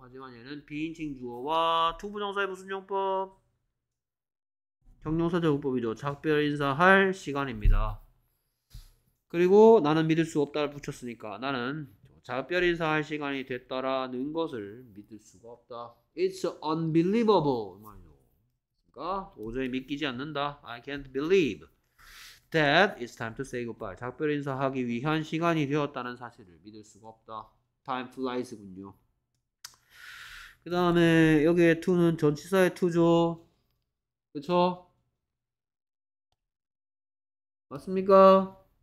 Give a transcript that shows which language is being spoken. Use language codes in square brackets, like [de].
[ko] 하지만 얘는 비인칭 주어와 투부정사의 무슨 용법? 형용사 제곱법이죠. 작별 인사할 시간입니다. 그리고 나는 믿을 수 없다를 붙였으니까 나는 작별 인사할 시간이 됐다라는 것을 믿을 수가 없다. [en] It's unbelievable. [ko] 도저히 믿기지 않는다. [en] I can't believe that it's time to say goodbye. [ko] 작별 인사하기 위한 시간이 되었다는 사실을 믿을 수가 없다. [en] Time flies [ko] 군요. 그 다음에 여기에 to는 전치사의 to죠. 그쵸? 맞습니까?